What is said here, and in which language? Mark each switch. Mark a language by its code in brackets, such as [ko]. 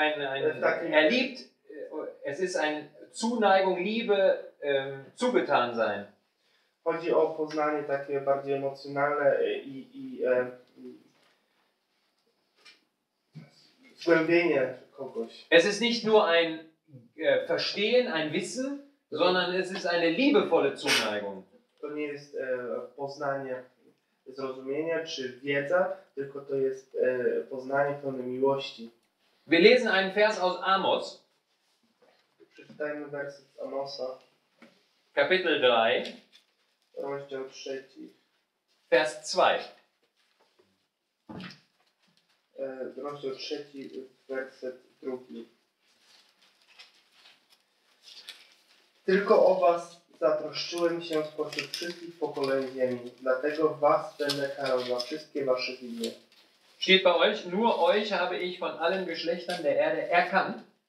[de] erliebt, es ist ein Zuneigung, Liebe, zugetan sein. [pl] Chodzi o poznanie takie bardziej emocjonalne i zgłębienie kogoś. [de] Es ist nicht nur ein Verstehen, ein Wissen, sondern es ist eine liebevolle Zuneigung. [pl] To nie jest poznanie zrozumienia czy wiedza, tylko to jest poznanie pełne miłości. [de] Wir lesen einen Vers aus Amos. [pl] Przeczytajmy werset Amosa. [de] Kapitel 3. [pl] Rozdział 3. [de] Vers 2. [pl] Rozdział 3, werset 2. Tylko o was zatroszczyłem się spośród wszystkich pokoleń ziemi, dlatego was będę karał za wszystkie wasze winy. [de] Steht bei euch, nur euch habe ich von allen Geschlechtern der Erde erkannt.